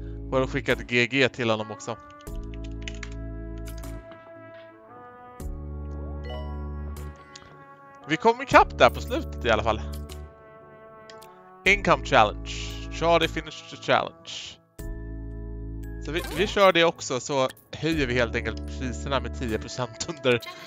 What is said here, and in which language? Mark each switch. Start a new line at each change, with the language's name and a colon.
Swedish: Får jag skicka ett GG till honom också. Vi kom ikapp där på slutet i alla fall.
English: Income challenge. Charlie finished the challenge.
Swedish: Så vi kör det också, så höjer vi helt enkelt priserna med 10% under...